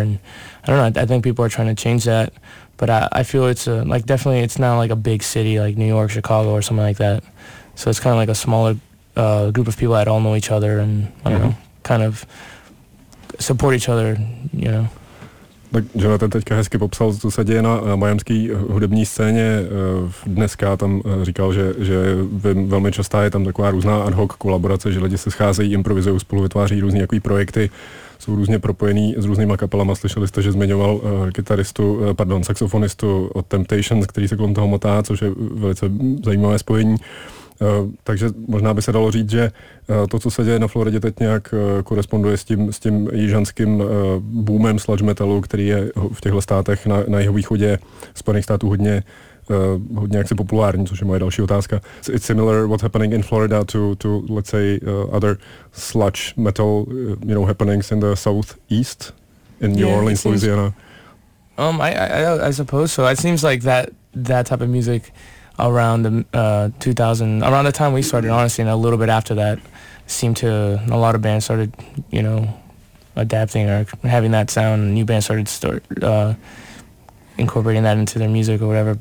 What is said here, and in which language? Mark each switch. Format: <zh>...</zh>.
<en>And I don't know, I think people are trying to change that, but I feel it's a, like, definitely it's not like a big city like New York, Chicago or something like that, so it's kind of like a smaller group of people that all know each other and I don't know kind of support each other, you know.</en> <cs>Tak Jonathan teďka hezky popsal, co se děje na majamské hudební scéně dneska. Tam říkal, že velmi častá je tam taková různá ad hoc kolaborace, že lidi se scházejí, improvizují, spolu vytváří různý jaký projekty, jsou různě propojený s různýma kapelama. Slyšeli jste, že zmiňoval saxofonistu od Temptations, který se kolem toho motá, což je velice zajímavé spojení. Takže možná by se dalo říct, že to, co se děje na Floridě, teď nějak koresponduje s tím jižanským boomem sludge metalu, který je v těchto státech na jeho východě Spojených států hodně jaksi populární, což je moje další otázka.</cs> <en>It's similar what's happening in Florida to let's say other sludge metal, you know, happenings in the southeast in New Orleans, Louisiana. I suppose so. It seems like that type of music around the 2000, around the time we started, honestly, and a little bit after that, a lot of bands started, you know, adapting or having that sound, and new bands started incorporating that into their music or whatever.</en>